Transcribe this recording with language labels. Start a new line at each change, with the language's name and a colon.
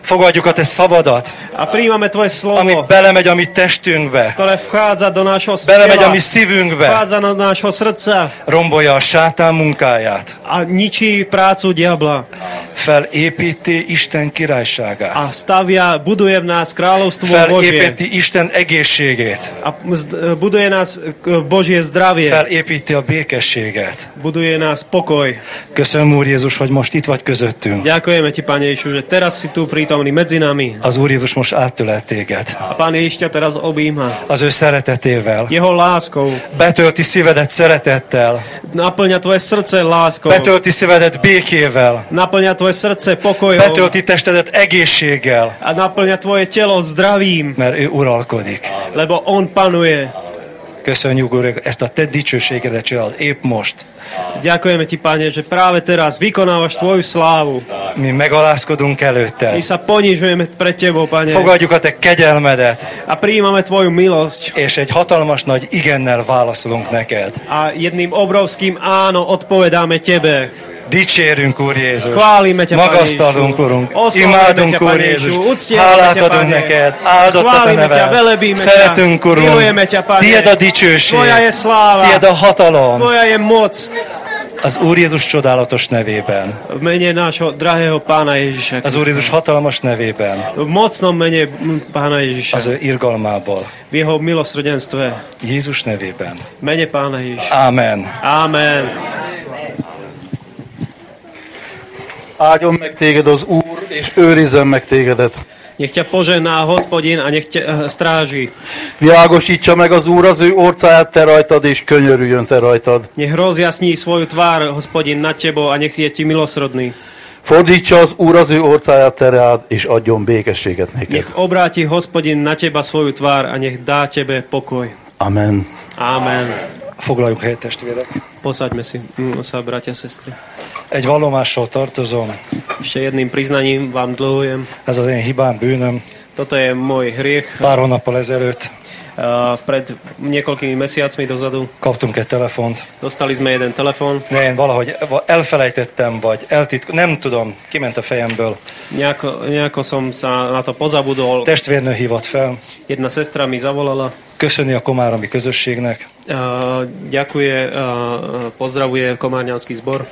Hungarian: Fogadjuk a te szavadat.
Slovak: A prijímame tvoje slovo.
Hungarian: Ami belemegy a mi testünkbe.
Slovak: Ktoré vchádza do nášho srdca.
Hungarian: Belemegy a mi szívünkbe.
Slovak: Vchádza do nášho srdca.
Hungarian: Rombolja a sátán munkáját.
Slovak: A ničí prácu diabla.
Hungarian: Felépíti Isten királyságát.
Slovak: A stavia, buduje v nás kráľovstvo Božie.
Hungarian: Felépíti Isten egészségét.
Slovak: A buduje nás Božie zdravie.
Hungarian: Felépíti a békességet.
Slovak: Buduje nás pokoj.
Hungarian: Köszönöm, Úr Jézus, hogy most itt vagy közöttünk.
Slovak: Ďakujeme ti, Pane Ježišu, že teraz si tu prítomný medzi nami.
Hungarian: Az Úr Jézus most átölel téged.
Slovak: A Pane Ježiš ťa teraz obíma.
Hungarian: Az ő szeretetével.
Slovak: Jeho láskou.
Hungarian: Betölti szívedet szeretettel.
Slovak: Naplňa tvoje srdce láskou.
Hungarian: Betölti szívedet békével.
Slovak: Naplňa tvoje srdce pokojom.
Hungarian: Betölti testedet egészséggel.
Slovak: A naplňa tvoje telo zdravím.
Hungarian: Mert ő uralkodik.
Slovak: Lebo on panuje.
Hungarian: Köszönjük, Úr, ezt a te dicsőségedet csinálod épp most.
Slovak: Ďakujeme ti, Pane, že práve teraz vykonávaš tvoju slávu.
Hungarian: Mi megalázkodunk előtte.
Slovak: My sa ponižujeme pred tebou, Pane.
Hungarian: Fogadjuk a te kegyelmedet.
Slovak: A prijímame tvoju milosť.
Hungarian: És egy hatalmas nagy igennel válaszolunk neked.
Slovak: A jedným obrovským áno odpovedáme tebe.
Hungarian: Dicsérünk, Úr Jézus.
Slovak: Chválime ťa, Pane Ježišu.
Hungarian: Magasztalunk, Urunk. Imádunk, Úr Jézus. Hálát adunk neked. Áldott a te neved.
Slovak: Chválime ťa, velebíme ťa.
Hungarian: Szeretünk, Urunk.
Slovak: Milujeme ťa, Pane.
Hungarian: Tied a dicsőség.
Slovak: Tvoja je sláva.
Hungarian: Tied a hatalom.
Slovak: Tvoja je moc.
Hungarian: Az Úr Jézus csodálatos nevében.
Slovak: V mene nášho drahého Pána Ježiša.
Hungarian: Az Úr Jézus hatalmas nevében.
Slovak: V mocnom mene Pána Ježiša.
Hungarian: Az ő irgalmából.
Slovak: V jeho milosrdenstve.
Hungarian: Jézus nevében.
Slovak: Mene Pána Ježiša.
Hungarian: Amen.
Slovak: Amen.
Hungarian: Áldjon meg téged az Úr, és őrizzen meg tégedet.
Slovak: Nech ťa požená Hospodin a nech ťa stráži.
Hungarian: Világosítsa meg az Úr az ő orcáját te rajtad, és könyörüljön te rajtad.
Slovak: Nech rozjasní svoju tvár, Hospodin, nad tebou a nech je ti milosrodný.
Hungarian: Fordítsa az Úr az ő orcáját te rád, és adjon békességet neked.
Slovak: Nech obráti Hospodin na teba svoju tvár a nech dá tebe pokoj.
Hungarian: Amen.
Slovak: Amen.
Hungarian: Foglaljuk helyet, testvérek.
Slovak: Posaďme si, bratia, sestry.
Hungarian: Egy vallomással tartozom.
Slovak: Ešte jedným priznaním vám dlhujem.
Hungarian: Ez az én hibám, bűnöm.
Slovak: Toto je môj hriech.
Hungarian: Pár hónappal ezelőtt.
Slovak: Pred niekoľkými mesiacmi dozadu.
Hungarian: Kaptunk egy telefont.
Slovak: Dostali sme jeden telefon.
Hungarian: Ne, én valahogy elfelejtettem, vagy eltitkoltam, nem tudom, kiment a fejemből.
Slovak: Nejako som sa na to pozabudol.
Hungarian: Testvérnő hívott fel.
Slovak: Jedna sestra mi zavolala.
Hungarian: Köszöni a komáromi közösségnek.
Slovak: Ďakuje, pozdravuje Komárňanský zbor.